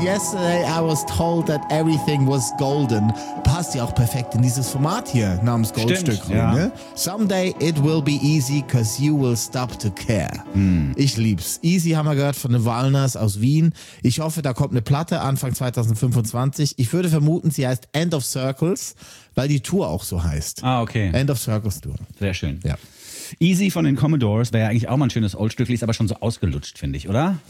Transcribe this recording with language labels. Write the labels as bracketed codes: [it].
[en] Yesterday I was told that everything was golden. [de] Passt ja auch perfekt in dieses Format hier namens Goldstück. Stimmt, rein, ja. Ne? [en] Someday it will be easy, cause you will stop to care. [de] Ich lieb's. Easy haben wir gehört von den Walners aus Wien. Ich hoffe, da kommt eine Platte Anfang 2025. Ich würde vermuten, sie heißt End of Circles, weil die Tour auch so heißt. Ah, okay. End of Circles Tour. Sehr schön. Ja. Easy von den Commodores wäre ja eigentlich auch mal ein schönes Oldstück, ist aber schon so ausgelutscht, finde ich, oder?